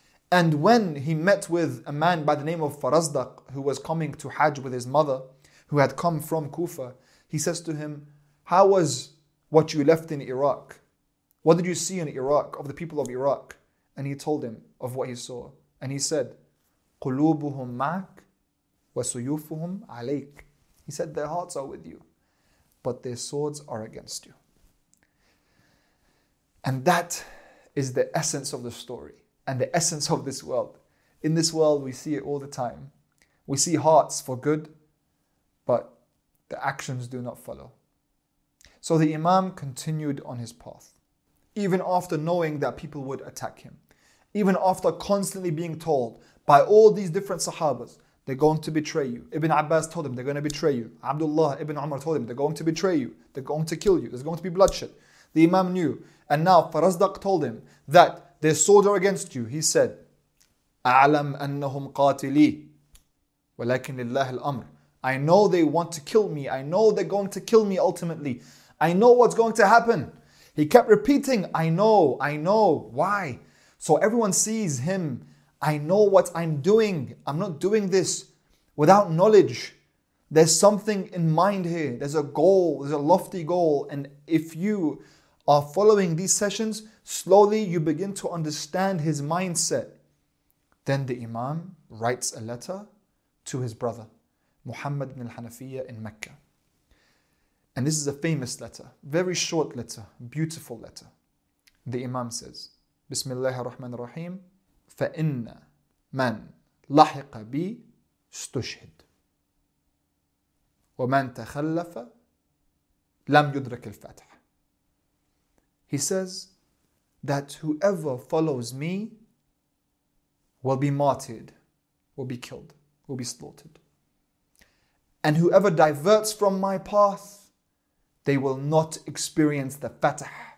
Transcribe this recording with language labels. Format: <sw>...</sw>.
<en>And when he met with a man by the name of Farazdaq, who was coming to Hajj with his mother, who had come from Kufa, he says to him, how was what you left in Iraq? What did you see in Iraq, of the people of Iraq? And he told him of what he saw. And he said,</en> <ar>قُلُوبُهُمْ مَعَكْ وَسُيُوفُهُمْ عَلَيْكْ.</ar> <en>He said, their hearts are with you, but their swords are against you. And that is the essence of the story and the essence of this world. In this world, we see it all the time. We see hearts for good, but the actions do not follow. So the Imam continued on his path, even after knowing that people would attack him, even after constantly being told by all these different sahabas, they're going to betray you. Ibn Abbas told him, they're going to betray you. Abdullah ibn Umar told him, they're going to betray you. They're going to kill you. There's going to be bloodshed. The Imam knew. And now Farazdaq told him that their swords are against you. He said,</en> <ar>أَعْلَمْ أَنَّهُمْ قَاتِلِي وَلَكِنْ لِلَّهِ الْأَمْرِ.</ar> <en>I know they want to kill me. I know they're going to kill me ultimately. I know what's going to happen. He kept repeating, I know. Why? So everyone sees him. I know what I'm doing. I'm not doing this without knowledge. There's something in mind here. There's a goal. There's a lofty goal. And if you are following these sessions, slowly you begin to understand his mindset. Then the Imam writes a letter to his brother, Muhammad ibn al-Hanafiyya in Mecca. And this is a famous letter, very short letter, beautiful letter. The Imam says, Bismillah ar-Rahman ar-Rahim,</en> <ar>فَإِنَّ من لحق بي استشهد ومن تخلف لم يدرك الفتح.</ar> <en>He says that whoever follows me will be martyred, will be killed, will be slaughtered. And whoever diverts from my path, they will not experience the fatah.</en>